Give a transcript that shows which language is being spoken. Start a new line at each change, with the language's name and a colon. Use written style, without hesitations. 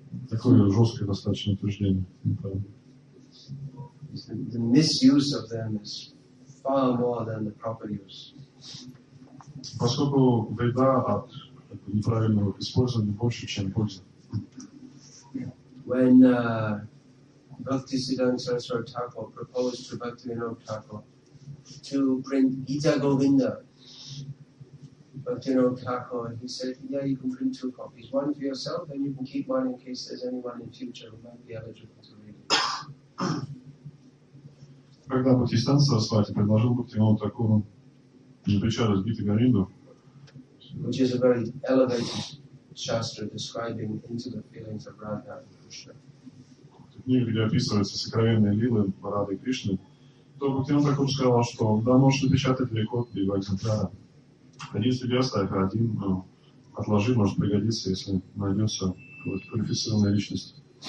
Russian: Такое жесткое достаточно утверждение.
English: The misuse of them is far more than the proper use.
Russian: Поскольку вреда от неправильного использования больше, чем польза.
English: When Bhaktisiddhanta Saraswati Thakur proposed to Bhaktivinoda Thakur to print Gita Govinda, Bhaktivinoda Thakur, he said, yeah, you can print two copies, one for yourself, and you can keep one in case there's anyone in future who might be eligible to read it.
Russian: Когда Бхактисиддханта Сарасвати предложил Бхактивинода Такуру напечатать Гиту Говинду,
English: which is a very elevated shastra describing intimate feelings of Radha and Krishna.
Russian: Книга, где описываются сокровенные лилы Рады и Кришны, то Бхактивинода Такур сказал, что да, можешь напечатать три копии два экземпляра. Один себе оставь, один отложи, может пригодиться, если найдется какая-то квалифицированная личность.